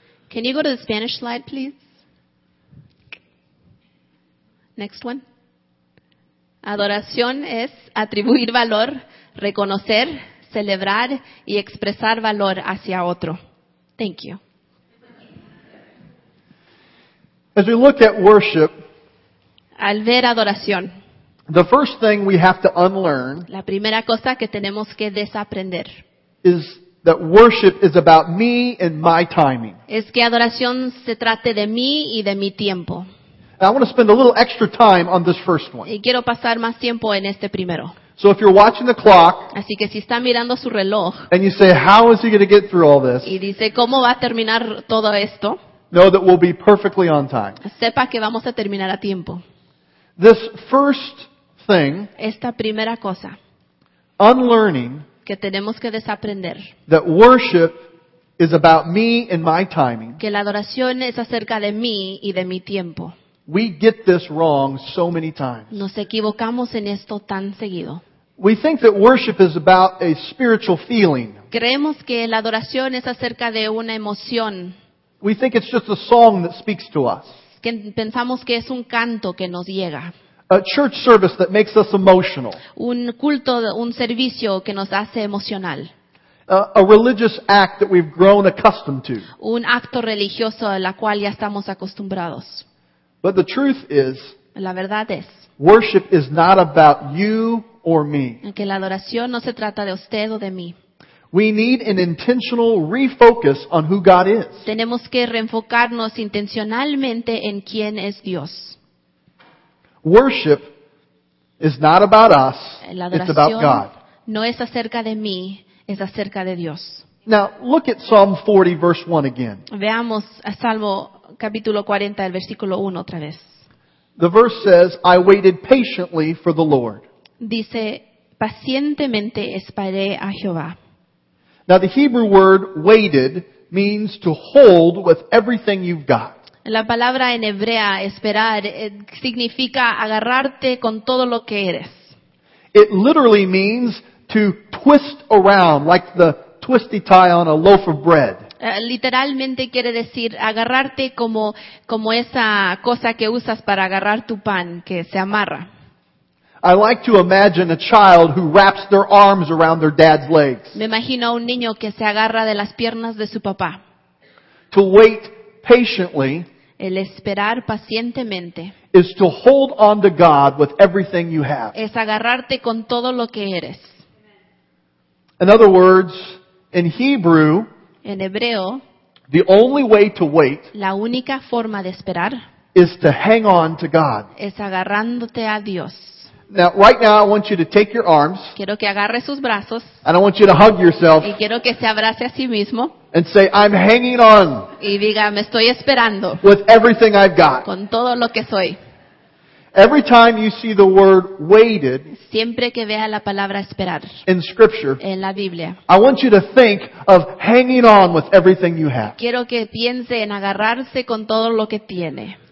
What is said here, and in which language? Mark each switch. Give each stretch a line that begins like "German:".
English: Can you go to the Spanish slide, please? Next one.
Spanish: Adoración es atribuir valor, reconocer, celebrar y expresar valor hacia otro.
English: Thank you. As we look at worship,
Spanish: al ver adoración,
English: the first thing we have to unlearn,
Spanish: la primera cosa que tenemos que desaprender,
English: is that worship is about me and my timing.
Spanish: Es que adoración se trate de mí y de mi tiempo.
English: Now, I want to spend a little extra time on this first one.
Spanish: Y quiero pasar más tiempo en este primero.
English: So if you're watching the clock,
Spanish: así que si está mirando su reloj,
English: and you say, how is he going to get through all this?
Spanish: Y dice, ¿cómo va a terminar todo esto?
English: Know that we'll be perfectly on time.
Spanish: Sepa que vamos a terminar a tiempo.
English: This first thing,
Spanish: esta primera cosa,
English: unlearning,
Spanish: que tenemos que desaprender.
English: That worship is about me and my timing.
Spanish: Que la adoración es acerca de mí y de mi tiempo.
English: We get this wrong so many times.
Spanish: Nos equivocamos en esto tan seguido.
English: We think that worship is about a spiritual feeling.
Spanish: Creemos que la adoración es acerca de una emoción.
English: We think it's just a song that speaks to us.
Spanish: Que pensamos que es un canto que nos llega.
English: A church service that makes us emotional.
Spanish: Un culto, un servicio que nos hace emocional.
English: A religious act that we've grown accustomed to.
Spanish: Un acto religioso a la cual ya estamos acostumbrados.
English: But the truth is,
Spanish: la verdad es,
English: worship is not about you or me.
Spanish: Que la adoración no se trata de usted o de mí.
English: We need an intentional refocus on who God is.
Spanish: Tenemos que reenfocarnos intencionalmente en quién es Dios.
English: Worship is not about us,
Spanish: la adoración
English: it's about God.
Spanish: No es acerca de mí, es acerca de Dios.
English: Now, look at Psalm 40, verse 1 again.
Spanish: Veamos a Salmo capítulo 40, el versículo 1 otra vez.
English: The verse says, I waited patiently for the Lord.
Spanish: Dice, pacientemente esperé a Jehová.
English: Now, the Hebrew word waited means to hold with everything you've got.
Spanish: La palabra en hebrea, esperar, significa agarrarte con todo lo que eres.
English: It literally means to twist around like the twisty tie on a loaf of bread.
Spanish: Literalmente quiere decir agarrarte como esa cosa que usas para agarrar tu pan que se amarra.
English: I like to imagine a child who wraps their arms around their dad's legs.
Spanish: Me imagino a un niño que se agarra de las piernas de su papá.
English: To wait patiently.
Spanish: El esperar pacientemente.
English: Is to hold on to God with everything you have.
Spanish: Es agarrarte con todo lo que eres.
English: In other words, in Hebrew,
Spanish: en hebreo,
English: the only way to wait,
Spanish: la única forma de esperar,
English: is to hang on to God.
Spanish: Es agarrándote a Dios.
English: Now, right now, I want you to take your arms.
Spanish: Quiero que agarre sus brazos.
English: And I want you to hug yourself.
Spanish: Y quiero que se abrace a sí mismo.
English: And say, I'm hanging on.
Spanish: Y diga, me estoy esperando.
English: With everything I've got.
Spanish: Con todo lo que soy.
English: Every time you see the word waited,
Spanish: siempre que vea la palabra esperar,
English: in Scripture,
Spanish: en la Biblia,
English: I want you to think of hanging on with everything you have.
Spanish: Quiero que piense en agarrarse con todo lo que tiene.